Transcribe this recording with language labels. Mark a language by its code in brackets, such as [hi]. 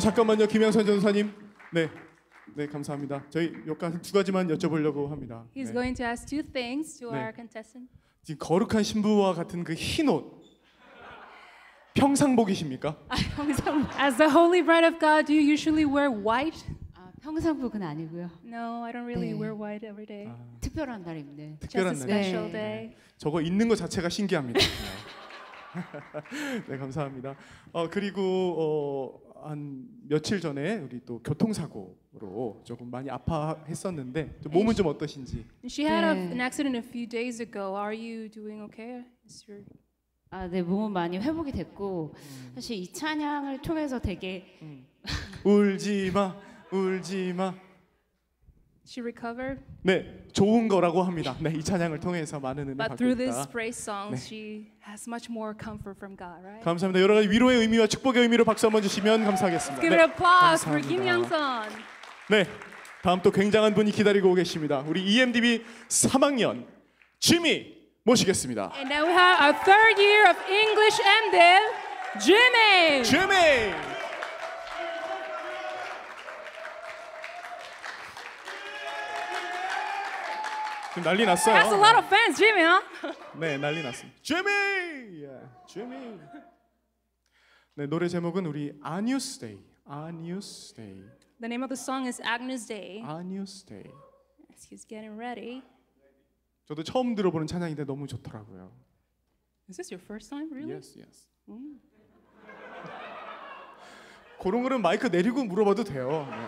[ko] 잠깐만요, 김영선 전사님. 네, 네, 감사합니다. 저희 여기까지 두 가지만 여쭤보려고 합니다. [en] He's going to ask two things to our contestant. [ko] 지금 거룩한 신부와 같은 그 흰 옷, 평상복이십니까? [en] As the holy bride of God, do you usually wear white? [ko] 아, 평상복은 아니고요. [en] No, I don't really wear white every day. [ko] 특별한 날입니다. 특별한 날. [en] Just a special day. [ko] 저거 있는 것 자체가 신기합니다. 네, 감사합니다. 그리고 한 며칠 전에 우리 또 교통사고로 조금 많이 아파했었는데 몸은 좀 어떠신지. [en] She had an accident a few days ago. Are you doing okay? Is your [ko] 아, 네, 몸은 많이 회복이 됐고 사실 이 찬양을 통해서 되게 울지마, 울지마. [en] She recovered. [ko] 네, 좋은 거라고 합니다. 네, 이 찬양을 통해서 많은 은혜 받았다. [en] But through this praise song, 네. she has much more comfort from God, right? [ko] 감사합니다. 여러 가지 위로의 의미와 축복의 의미로 박수 한번 주시면 감사하겠습니다. [en] Give it a applause for Kim Young Sun. [ko] 네, 다음 또 굉장한 분이 기다리고 계십니다. 우리 EMDB 3학년 Jimmy 모시겠습니다. [en] And now we have our third year of English MDiv, Jimmy. Jimmy. [ko] 난리 났어요. [en] That's a lot of fans, Jimmy, huh? [ko] 네, 난리 났습니다. Jimmy! Yeah, Jimmy! 네, 노래 제목은 우리 Agnus Dei. Agnus Dei. [en] The name of the song is Agnus Dei. Agnus Dei. As he's getting ready. [ko] 저도 처음 들어보는 찬양인데 너무 좋더라고요. [en] Is this your first time, really? Yes, yes. [ko] 그런 거는 마이크 내리고 물어봐도 돼요.